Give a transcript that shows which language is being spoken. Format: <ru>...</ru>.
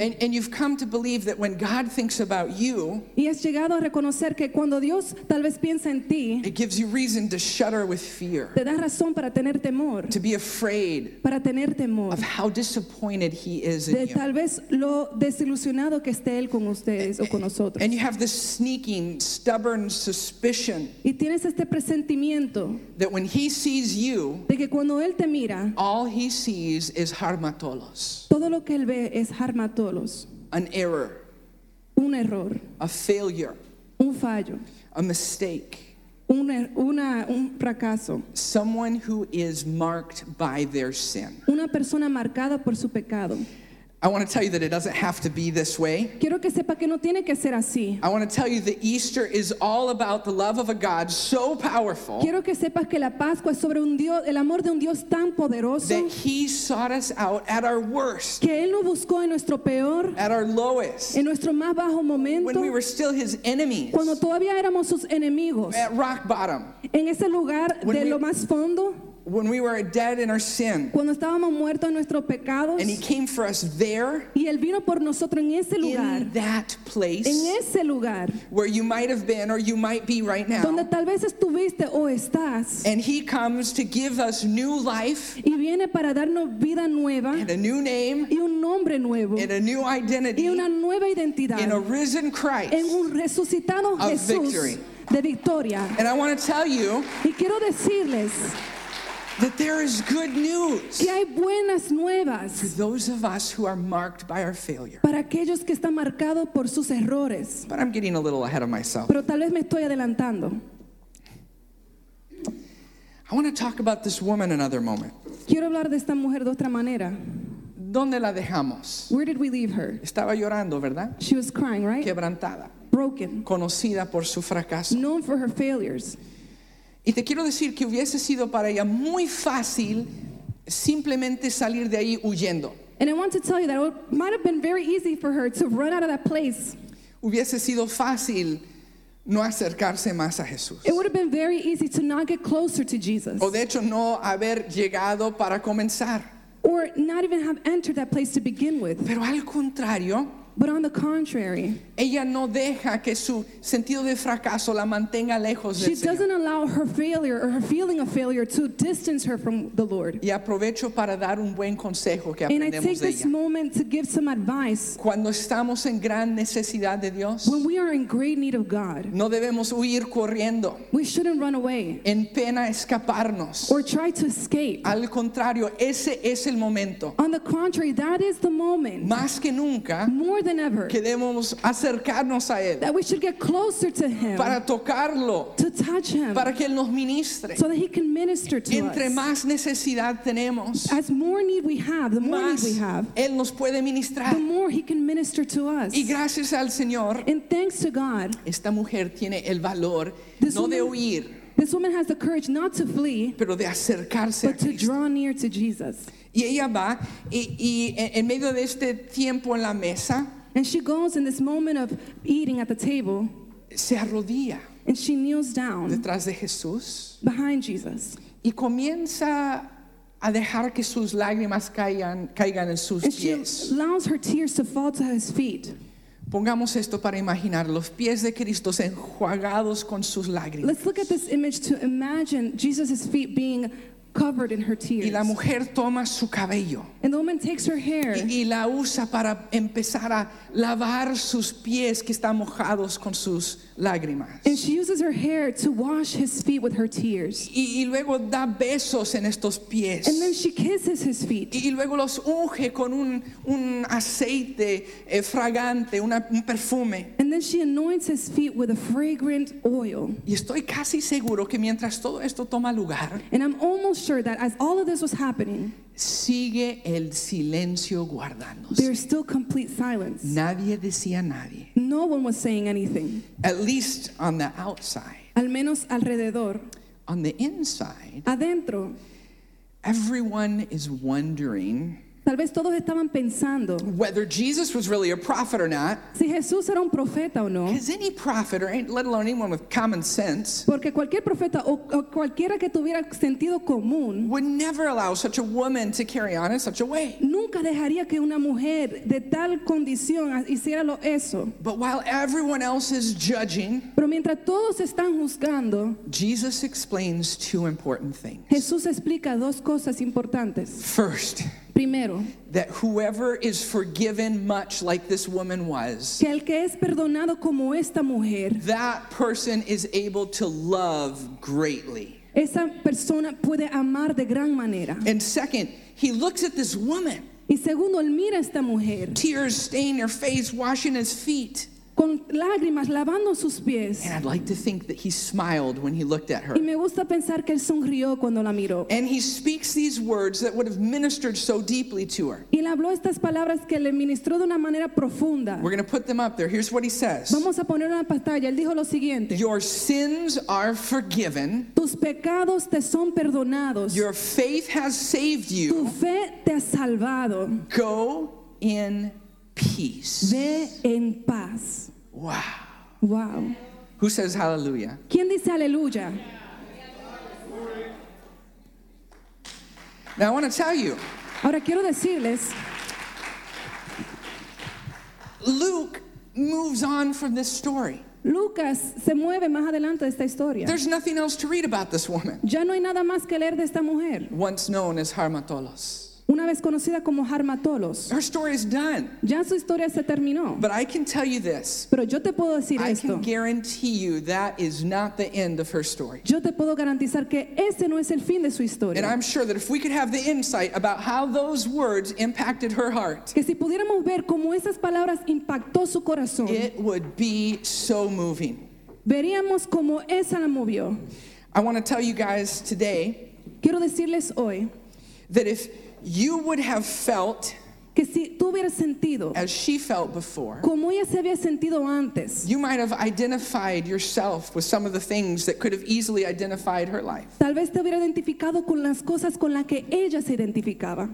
<en>And you've come to believe that when God thinks about you,</en> <es>y has llegado a reconocer que cuando Dios tal vez piensa en ti,</es> <en>it gives you reason to shudder with fear.</en> <es>Te da razón para tener temor,</es> <en>to be afraid,</en> <es>para tener temor,</es> <en>of how disappointed he is in</en> <es>de</es> <en>you.</en> <es>Tal vez lo desilusionado que esté él con ustedes o con nosotros.</es> <en>And you have this sneaking, stubborn suspicion,</en> <es>y tienes este presentimiento,</es> <en>that when he sees you,</en> <es>de que cuando él te mira,</es> <en>all he sees is harmatolos,</en> <es>todo lo que él ve es harmatolos,</es> <en>an error,</en> <es>un error,</es> <en>a failure,</en> <es>un fallo,</es> <en>a mistake,</en> <es>un fracaso.</es> <en>Someone who is marked by their sin.</en> <es>Una persona marcada por su pecado.</es> <en>I want to tell you that it doesn't have to be this way.</en> <es>Quiero que sepa que no tiene que ser así.</es> <en>I want to tell you that Easter is all about the love of a God so powerful.</en> <es>Quiero que sepas que la Pascua es sobre un Dios, el amor de un Dios tan poderoso.</es> <en>That he sought us out at our worst.</en> <es>Que él nos buscó en nuestro peor.</es> <en>At our lowest.</en> <es>En nuestro más bajo momento.</es> <en>When we were still his enemies.</en> <es>Cuando todavía éramos sus enemigos.</es> <en>At rock bottom.</en> <es>En ese lugar de lo más fondo.</es> <en>When we were dead in our sin,</en> <es>cuando estábamos muertos en nuestros pecados,</es> <en>and he came for us there,</en> <es>y él vino por nosotros en ese lugar,</es> <en>in that place,</en> <es>en ese lugar,</es> <en>where you might have been or you might be right now,</en> <es>donde tal vez estuviste o estás,</es> <en>and he comes to give us new life,</en> <es>y viene para darnos vida nueva,</es> <en>and a new name,</en> <es>y un nombre nuevo,</es> <en>and a new identity,</en> <es>y una nueva identidad,</es> <en>in a risen Christ,</en> <es>en un resucitado</es> <en>of</en> <es>Jesús,</es> <en>victory,</en> <es>de victoria.</es> <en>And I want to tell you,</en> <es>y quiero decirles,</es> <en>that there is good news,</en> <es>que hay buenas nuevas,</es> <en>for those of us who are marked by our failure,</en> <es>para aquellos que están marcados por sus errores.</es> <en>But I'm getting a little ahead of myself.</en> <es>Pero tal vez me estoy adelantando.</es> <en>I want to talk about this woman another moment.</en> <es>Quiero hablar de esta mujer de otra manera. ¿Dónde la dejamos?</es> <en>Where did we leave her?</en> <es>Estaba llorando, ¿verdad?</es> <en>She was crying, right?</en> <es>Quebrantada.</es> <en>Broken.</en> <es>Conocida por su fracaso.</es> <en>Known for her failures.</en> <es>Y te quiero decir que hubiese sido para ella muy fácil simplemente salir de ahí huyendo.</es> <en>And I want to tell you that it might have been very easy for her to run out of that place.</en> <es>Hubiese sido fácil no acercarse más a Jesús.</es> <en>It would have been very easy to not get closer to Jesus.</en> <es>O de hecho no haber llegado para comenzar.</es> <en>Or not even have entered that place to begin with.</en> <es>Pero al contrario,</es> <en>but on the contrary,</en> <es>Ella no deja que su sentido de fracaso la mantenga lejos del</es> <en>She</en> <es>Señor.</es> <en>Doesn't allow her failure or her feeling of failure to distance her from the Lord.</en> <es>Y aprovecho para dar un buen consejo que aprendemos de ella.</es> <en>And I take this moment to give some advice.</en> <es>Cuando estamos en gran necesidad de Dios,</es> <en>when we are in great need of God,</en> <es>no debemos huir corriendo.</es> <en>We shouldn't run away.</en> <es>En pena escaparnos.</es> <en>Or try to escape.</en> <es>Al contrario, ese es el momento.</es> <en>On the contrary, that is the moment.</en> <es>Más que nunca,</es> <en>more than ever,</en> <es>que debemos acercarnos a él,</es> <en>that we should get closer to him,</en> <es>para tocarlo,</es> <en>to touch him,</en> <es>para que él nos ministre,</es> <en>so that he can minister to</en> <es>entre</es> <en>us.</en> <es>Más necesidad tenemos,</es> <en>as more need we have, the more need we have,</en> <es>él nos puede ministrar,</es> <en>the more he can minister to us.</en> <es>Y gracias al Señor,</es> <en>and thanks to God,</en> <es>esta mujer tiene el valor, no</es> <en>woman,</en> <es>de huir,</es> <en>this woman has the courage not to flee,</en> <es>pero de acercarse</es> <en>but</en> <es>a</es> <en>to</en> <es>Cristo.</es> <en>Draw near to Jesus.</en> <es>Y ella va, y en medio de este tiempo en la mesa,</es> <en>and she goes in this moment of eating at the table,</en> <es>se arrodilla,</es> <en>and she kneels down</en> <es>detrás de Jesús,</es> <en>behind Jesus,</en> <es>y comienza a dejar que sus lágrimas caigan en sus</es> <en>pies. She allows her tears to fall to his feet.</en> <es>Pongamos esto para imaginar los pies de Cristo enjuagados con sus lágrimas.</es> <en>Let's look at this image to imagine Jesus's feet being covered in her tears.</en> <es>Y la mujer toma su cabello,</es> <en>and the woman takes her hair,</en> <es>y la usa para empezar a lavar sus pies que están mojados con sus lágrimas.</es> <en>And she uses her hair to wash his feet with her tears.</en> <es>Y luego da besos en estos pies.</es> <en>And then she kisses his feet.</en> <es>Y luego los unge con un aceite fragante, un perfume.</es> <en>And then she anoints his feet with a fragrant oil.</en> <es>Y estoy casi seguro que mientras todo esto toma lugar,</es> <en>and I'm almost sure that as all of this was happening,</en> <es>sigue el silencio guardándose.</es> <en>There's still complete silence.</en> <es>Nadie decía nadie.</es> <en>No one was saying anything. At least on the outside.</en> <es>Al menos alrededor.</es> <en>On the inside.</en> <es>Adentro.</es> <en>Everyone is wondering.</en> <es>Tal vez todos estaban pensando.</es> <en>Whether Jesus was really a prophet or not.</en> <es>Si Jesús era un profeta o no.</es> <en>Because any prophet, or let alone anyone with common sense.</en> <es>Porque cualquier profeta o cualquiera que tuviera sentido común.</es> <en>Would never allow such a woman to carry on in such a way.</en> <es>Nunca dejaría que una mujer de tal condición hiciera eso.</es> <en>But while everyone else is judging.</en> <es>Pero mientras todos están juzgando.</es> <en>Jesus explains two important things.</en> <es>Jesús explica dos cosas importantes.</es> <en>First.</en> <es>Primero,</es> <en>that whoever is forgiven much like this woman was,</en> <es>que el que es perdonado como esta mujer,</es> <en>that person is able to love greatly.</en> <es>Esa persona puede amar de gran manera.</es> <en>And second, he looks at this woman.</en> <es>Y segundo, él mira a esta mujer,</es> <en>tears stain her face, washing his feet.</en> <es>Con lágrimas, lavando sus pies.</es> <en>And I'd like to think that he smiled when he looked at her.</en> <es>Y me gusta pensar que él sonrió cuando la miró.</es> <en>And he speaks these words that would have ministered so deeply to her.</en> <es>Y le habló estas palabras que le ministró de una manera profunda.</es> <en>We're going to put them up there. Here's what he says.</en> <es>Vamos a poner una pantalla. Él dijo lo siguiente.</es> <en>Your sins are forgiven.</en> <es>Tus pecados te son perdonados.</es> <en>Your faith has saved you.</en> <es>Tu fe te ha salvado.</es> <en>Go in peace.</en> <es>Ve en paz.</es> <en>Wow.</en> <es>Wow.</es> <en>Who says hallelujah?</en> <es>¿Quién dice aleluya?</es> <en>Now I want to tell you.</en> <es>Ahora quiero decirles.</es> <en>Luke moves on from this story.</en> <es>Lucas se mueve más adelante de esta historia.</es> <en>There's nothing else to read about this woman.</en> <es>Ya no hay nada más que leer de esta mujer.</es> <en>Once known as Harmatolos.</en> <es>Una vez conocida como Harmatolos.</es> <en>Her story is done.</en> <es>Ya su historia se terminó.</es> <en>But I can tell you this.</en> <es>Pero yo te puedo decir</es> <en>I</en> <es>esto.</es> <en>I can guarantee you that is not the end of her story.</en> <es>Yo te puedo garantizar que este no es el fin de su historia.</es> <en>And I'm sure that if we could have the insight about how those words impacted her heart.</en> <es>Que si pudiéramos ver cómo esas palabras impactó su corazón.</es> <en>It would be so moving.</en> <es>Veríamos cómo esa la movió.</es> <en>I want to tell you guys today.</en> <es>Quiero decirles hoy.</es> <en>That if you would have felt</en> <es>que si tú hubieras sentido,</es> <en>as she felt before,</en> <es>como ella se había sentido antes,</es> <en>you might have identified yourself with some of the things that could have easily identified her life.</en> <es>Tal vez te hubiera identificado con las cosas con las que ella se identificaba.</es>